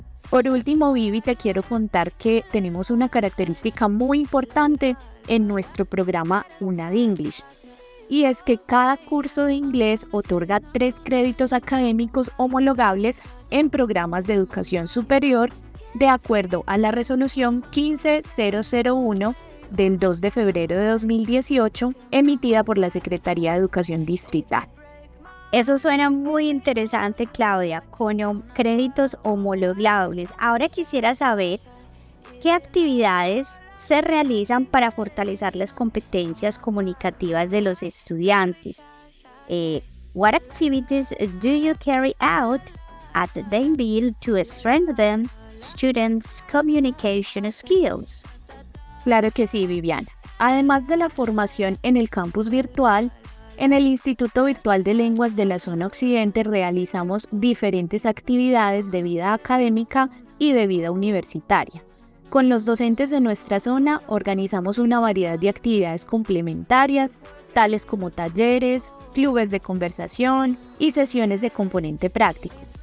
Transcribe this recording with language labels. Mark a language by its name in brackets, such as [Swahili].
[Spanish] Por último, Vivi, te quiero contar que tenemos una característica muy importante en nuestro programa UNAD English, y es que cada curso de inglés otorga 3 créditos académicos homologables en programas de educación superior de acuerdo a la resolución 15001 del 2 de febrero de 2018, emitida por la Secretaría de Educación Distrital. Eso suena muy interesante, Claudia, con créditos homologables. Ahora quisiera saber qué actividades se realizan para fortalecer las competencias comunicativas de los estudiantes. [English] What activities do you carry out at the INVIL to strengthen students' communication skills? [Spanish] Claro que sí, Viviana. además de la formación en el campus virtual, en el Instituto Virtual de Lenguas de la Zona Occidente realizamos diferentes actividades de vida académica y de vida universitaria. Con los docentes de nuestra zona organizamos una variedad de actividades complementarias, tales como talleres, clubes de conversación y sesiones de componente práctico.